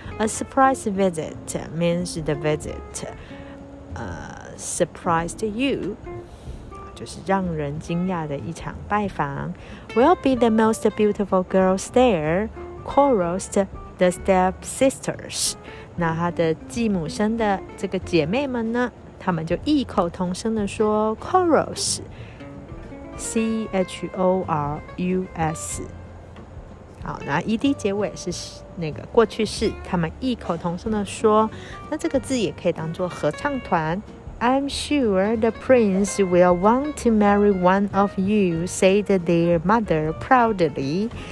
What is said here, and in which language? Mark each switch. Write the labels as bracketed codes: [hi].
[en] A surprise visit means the visit surprised you. [zh] 就是让人惊讶的一场拜访。 [en] We'll be the most beautiful girls there, chorused the stepsisters. [zh] 那她的继母生的这个姐妹们呢，她们就异口同声的说 chorus, C-H-O-R-U-S。好，那 ED 结尾是那个过去式，她们异口同声的说，那这个字也可以当作合唱团。 [en] I'm sure the prince will want to marry one of you, said their mother proudly.